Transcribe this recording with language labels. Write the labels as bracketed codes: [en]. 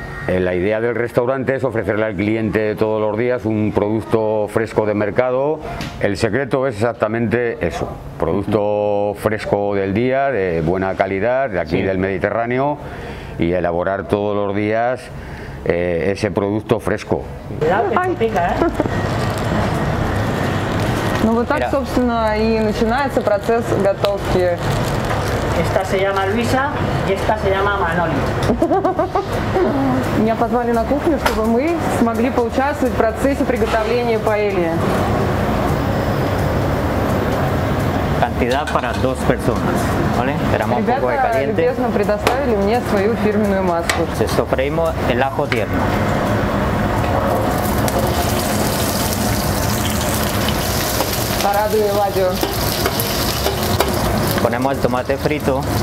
[es] La idea del restaurante es ofrecerle al cliente todos los días un producto fresco de mercado. El secreto es exactamente eso, producto fresco del día, de buena calidad, de aquí sí. Del Mediterráneo, y elaborar todos los días ese producto fresco. Cuidado que se pica, [ru] Ну вот так, собственно, и начинается процесс готовки. [es] Esta se llama Luisa y esta se llama Manoli. [ru] Меня позвали на кухню, чтобы мы смогли поучаствовать в процессе приготовления паэльи. [es] Cantidad para dos personas, ¿vale? Esperamos [ru] Ребята [es] un poco de caliente. [ru] Ребята любезно предоставили мне свою фирменную маску. [es] Se sofreímos el ajo tierno. [ru] Порадуй, Эладио. [es] Ponemos el tomate frito.